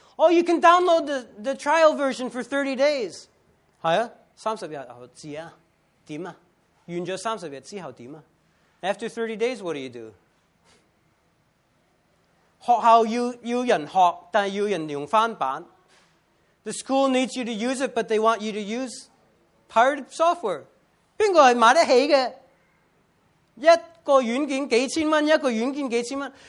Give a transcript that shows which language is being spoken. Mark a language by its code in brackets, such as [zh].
[en] Oh, you can download the trial version for 30 days. [zh] 是啊,30日后,怎样?完了30日之后怎样? [en] After 30 days, what do you do? [zh] 学校要人学,但要人用翻版. [en] The school needs you to use it, but they want you to use pirated software. [zh] 誰是买得起的? 一个软件几千元,一个软件几千元.